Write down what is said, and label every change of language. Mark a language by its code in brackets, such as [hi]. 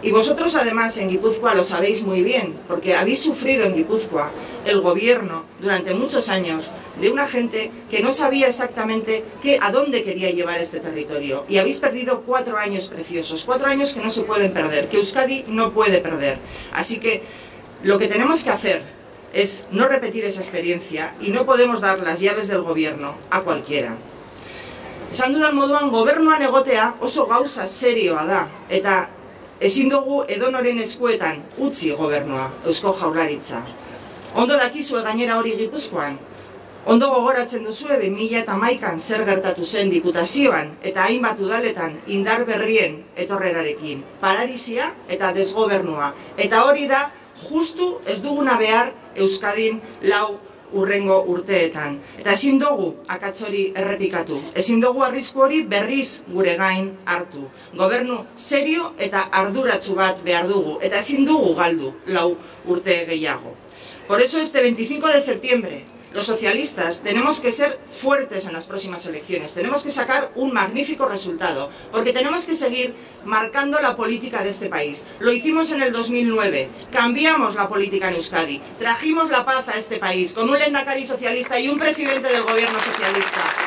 [es] Y vosotros, además, en Gipuzkoa lo sabéis muy bien, porque habéis sufrido en Gipuzkoa el gobierno durante muchos años de una gente que no sabía exactamente a dónde quería llevar este territorio. Y habéis perdido 4 años preciosos, 4 años que no se pueden perder, que Euskadi no puede perder. Así que lo que tenemos que hacer es no repetir esa experiencia, y no podemos dar las llaves del gobierno a cualquiera. [eu] Esan dudan moduan, gobernuan egotea oso gauza serioa da, eta ezin dugu edonoren eskuetan utzi gobernua, Eusko Jaurlaritza. Ondo dakizue gainera hori Gipuzkoan, ondo gogoratzen duzue 2011an zer gertatu zen diputazioan eta hainbat udaletan indar berrien etorrerarekin. Paralizia eta desgobernua, eta hori da justu ez duguna behar Euskadin lau urrengo urteetan. Eta ezin dugu akats hori errepikatu, ezin dugu arrisku hori berriz gure gain hartu. Gobernu serio eta arduratsu bat behar dugu, eta ezin dugu galdu lau urte gehiago. [es] Por eso, este 25 de septiembre, los socialistas tenemos que ser fuertes en las próximas elecciones, tenemos que sacar un magnífico resultado, porque tenemos que seguir marcando la política de este país. Lo hicimos en el 2009, cambiamos la política en Euskadi, trajimos la paz a este país con un lehendakari socialista y un presidente del gobierno socialista.